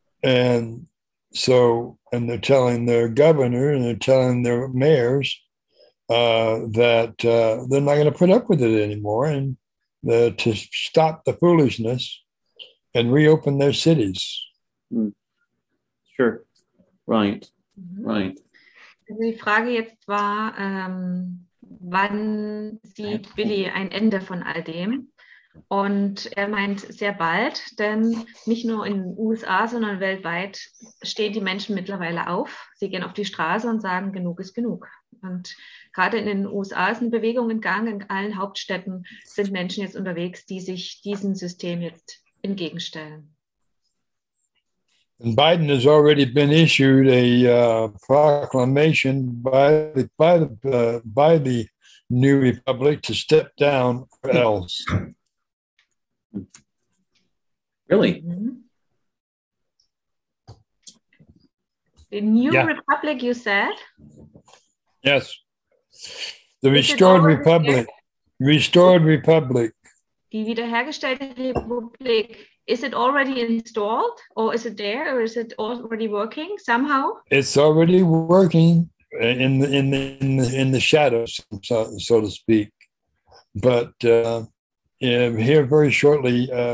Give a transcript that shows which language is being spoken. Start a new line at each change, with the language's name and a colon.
English: And so, and they're telling their governor and they're telling their mayors that they're not going to put up with it anymore, and to stop the foolishness and reopen their cities. Mm. Sure. Right. Mm-hmm. Right.
German: Die Frage jetzt war, wann sieht Billy ein Ende von all dem? Und er meint sehr bald, denn nicht nur in den USA, sondern weltweit stehen die Menschen mittlerweile auf. Sie gehen auf die Straße und sagen, genug ist genug. Und gerade in den USA ist eine Bewegung in Gang. In allen Hauptstädten sind Menschen jetzt unterwegs, die sich diesem System jetzt entgegenstellen.
English: And Biden has already been issued a proclamation by the new republic to step down or else. Really? Mm-hmm. The new republic, you said? Yes. The restored republic. Restored republic.
German: Die wiederhergestellte Republik.
English: Is it already installed, or is it there, or is it already working somehow? It's already working in the shadows, so to speak. But here, very shortly,